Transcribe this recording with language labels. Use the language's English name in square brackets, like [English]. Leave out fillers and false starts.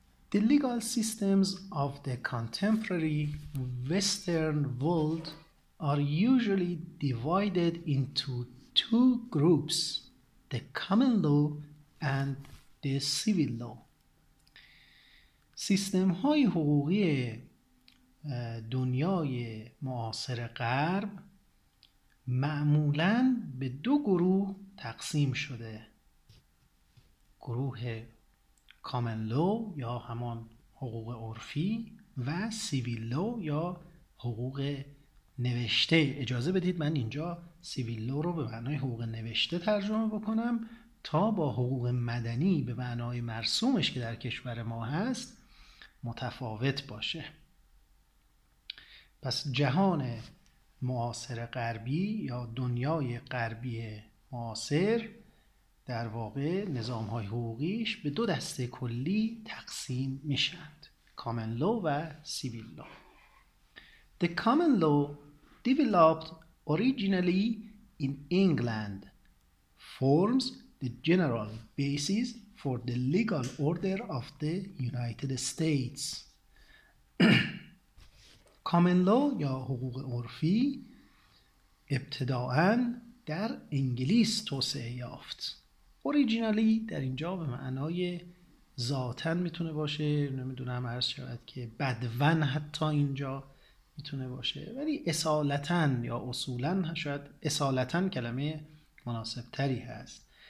[English] The legal systems of the contemporary Western world are usually divided into two groups, the common law and the civil law. [Persian] سیستم های حقوقی دنیای معاصر غرب معمولاً به دو گروه تقسیم شده، گروه common law یا همان حقوق عرفی و civil law یا حقوق نوشته. اجازه بدید من اینجا سیویل لو رو به معنای حقوق نوشته ترجمه بکنم تا با حقوق مدنی به معنای مرسومش که در کشور ما هست متفاوت باشه. پس جهان معاصر غربی یا دنیای غربی معاصر در واقع نظام‌های حقوقیش به دو دسته کلی تقسیم میشند، کامن لو و سیویل لو. [English] The common law developed originally in England forms the general basis for the legal order of the United States. [Persian] Common law یا حقوق عرفی ابتداءً در انگلیس توسعه یافت. Originally در اینجا به معنای ذاتاً میتونه باشه، نمیدونم عرض شود که بدون حتی اینجا میتونه باشه، ولی اصالتاً یا اصولاً شاید اصالتاً کلمه مناسب تری هست.